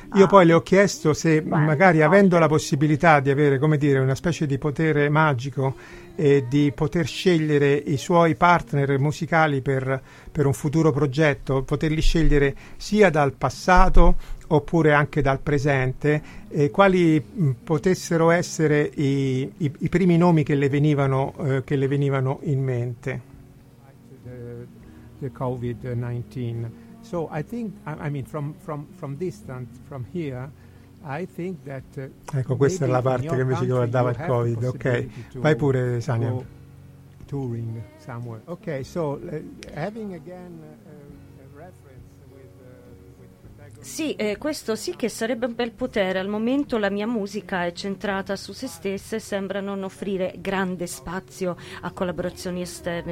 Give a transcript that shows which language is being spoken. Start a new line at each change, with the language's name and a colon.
Italian: Io poi le ho chiesto se magari avendo la possibilità di avere, come dire, una specie di potere magico e di poter scegliere i suoi partner musicali per un futuro progetto, poterli scegliere sia dal passato oppure anche dal presente, e quali potessero essere i primi nomi che le venivano in mente.
English: The COVID-19. So I think, I mean, from distance, from here, I think that.
Italian: Ecco, questa è la parte che invece guardava il COVID. Ok, vai pure, Sania.
English: Touring somewhere. Ok, so having again a reference with.
Italian: Sì, questo sì che sarebbe un bel potere. Al momento la mia musica è centrata su se stessa e sembra non offrire grande spazio a collaborazioni esterne.